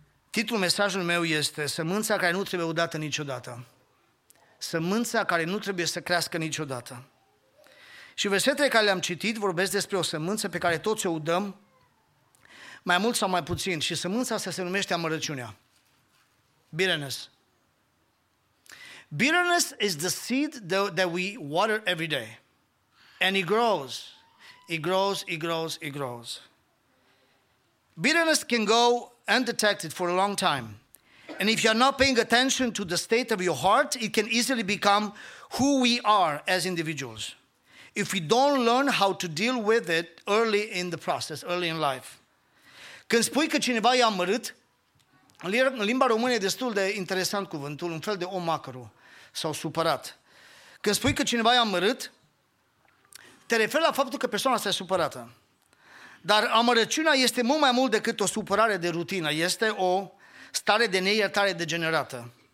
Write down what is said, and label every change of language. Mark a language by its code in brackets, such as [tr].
[ro] Titlul mesajului meu este Sămânța care nu trebuie udată niciodată. Sămânța care nu trebuie să crească niciodată. Și versetele care le-am citit vorbesc despre o sămânță pe care toți o udăm, mai mult sau mai puțin, și sămânța asta se numește amărăciunea. [en] Bitterness. Bitterness is the seed that we water every day. And it grows. It grows, it grows, it grows. Bitterness can go undetected for a long time. And if you are not paying attention to the state of your heart, it can easily become who we are as individuals. If we don't learn how to deal with it early in the process, early in life. [ro] Când spui că cineva e amărât, în limba română e destul de interesant cuvântul, un fel de om macru sau supărat. Când spui că cineva e amărât, te referi la faptul că persoana asta e supărată. Dar amărăciunea este mult mai mult decât o supărare de rutină, este o stare de neiertare degenerată.